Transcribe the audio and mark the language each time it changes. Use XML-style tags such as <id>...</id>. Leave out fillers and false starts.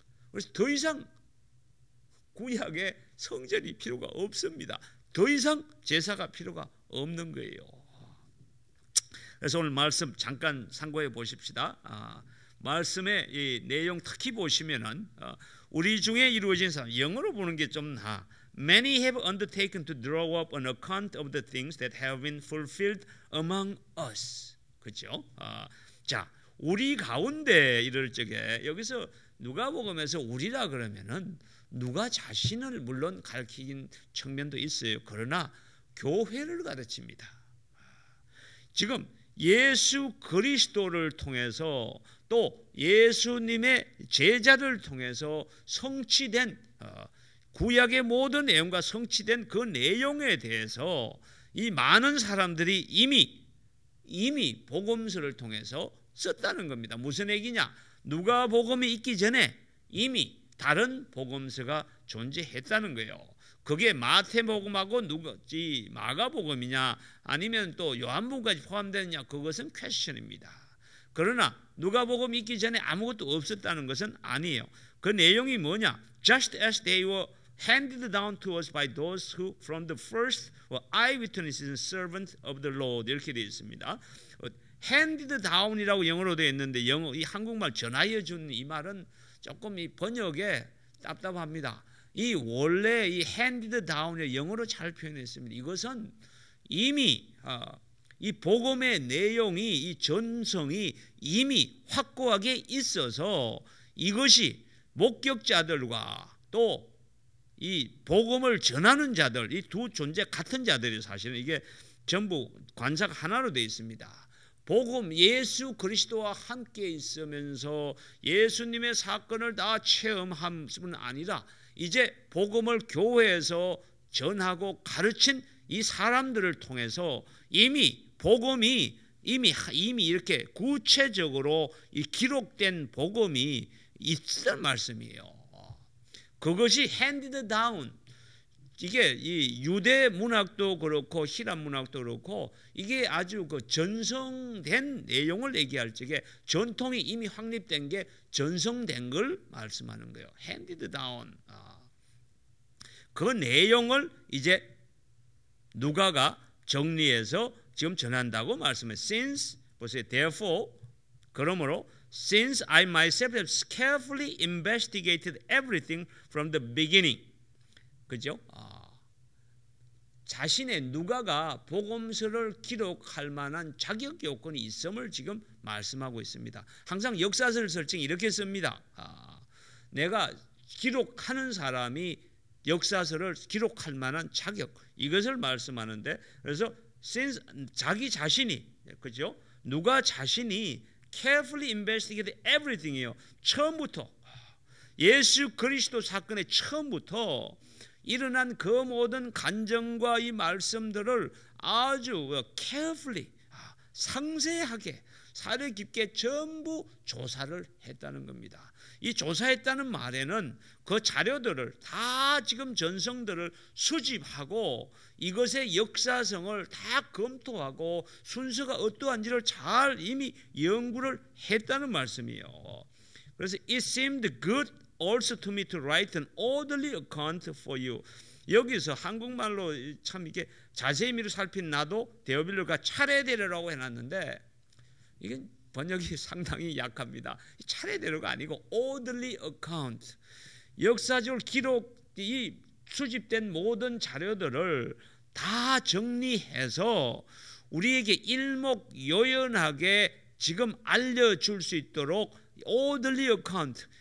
<ko>그래서 더 이상 구약의 성전이 필요가 없습니다. 더 이상 제사가 필요가 없는 거예요. 그래서 오늘 말씀 잠깐 상고해 보십시다. 말씀의 이 내용 특히 보시면은 우리 중에 이루어진 사람, 영어로 보는 게 좀 나.</ko> <en>Many have undertaken to draw up an account of the things that have been fulfilled among us.</en> <ko>그렇죠? 자, 우리 가운데 이럴 적에, 여기서 누가복음에서 우리라 그러면은 누가 자신을 물론 가르치는 측면도 있어요. 그러나 교회를 가르칩니다. 지금 예수 그리스도를 통해서 또 예수님의 제자들 통해서 성취된 구약의 모든 내용과 성취된 그 내용에 대해서 이 많은 사람들이 이미 복음서를 통해서 썼다는 겁니다. 무슨 얘기냐? 누가 복음이 있기 전에 이미 다른 복음서가 존재했다는 거예요. 그게 마태복음하고 누가지 마가복음이냐 아니면 또 요한복음까지 포함되느냐, 그것은 퀘스천입니다. 그러나 누가복음 있기 전에 아무것도 없었다는 것은 아니에요. 그 내용이 뭐냐?</ko> <en>Just as they were handed down to us by those who from the first were eyewitnesses and servants of the Lord.</en> <ko>이렇게 되어 있습니다. Handed down이라고 영어로 되어 있는데, 영어 이 한국말 전하여 준 이 말은 조금 이 번역에 답답합니다. 이 원래 이 handed down의 영어로 잘 표현했습니다. 이것은 이미 이 복음의 내용이, 이 전성이 이미 확고하게 있어서 이것이 목격자들과 또 이 복음을 전하는 자들, 이 두 존재 같은 자들이, 사실은 이게 전부 관사가 하나로 되어 있습니다. 복음, 예수 그리스도와 함께 있으면서 예수님의 사건을 다 체험한 것은 아니라 이제 복음을 교회에서 전하고 가르친 이 사람들을 통해서 이미 복음이 이미 이렇게 구체적으로 이 기록된 복음이 있단 말씀이에요. 그것이 handed down. 이게 이 유대 문학도 그렇고 히라 문학도 그렇고 이게 아주 그 전성된 내용을 얘기할 적에 전통이 이미 확립된 게 전성된 걸 말씀하는 거예요.</ko> <en>handed down.</en> <ko>그 내용을 이제 누가가 정리해서 지금 전한다고 말씀해요. Since, 보세요.</ko> <en>Therefore,</en> <ko>그러므로</ko> <en>Since I myself have carefully investigated everything from the beginning.</en> <ko>그죠? 자신의 누가가 복음서를 기록할 만한 자격 요건이 있음을 지금 말씀하고 있습니다. 항상 역사서를 쓸 때 이렇게 씁니다. 내가 기록하는 사람이 역사서를 기록할 만한 자격 이것을 말씀하는데 그래서 since 자기 자신이 그죠? 누가 자신이</ko> <en>carefully investigated everything이요.</en> <ko>처음부터 예수 그리스도 사건의 처음부터 일어난 그 모든 간증과 이 말씀들을 아주 carefully 상세하게 사려 깊게 전부 조사를 했다는 겁니다. 이 조사했다는 말에는 그 자료들을 다 지금 전성들을 수집하고 이것의 역사성을 다 검토하고 순서가 어떠한지를 잘 이미 연구를 했다는 말씀이에요. 그래서</ko> <en>it seemed good also to me to write an orderly account for you.</en> <ko>여기서 한국말로 참 이게 자세히 미리 살핀 나도 데오빌로가 차례대로라고 해놨는데 이건 번역이 상당히 약합니다. 차례대로가 아니고 orderly account. 역사적 기록이 수집된 모든 자료들을 다 정리해서 우리에게 일목요연하게 지금 알려줄 수 있도록 orderly account.</ko>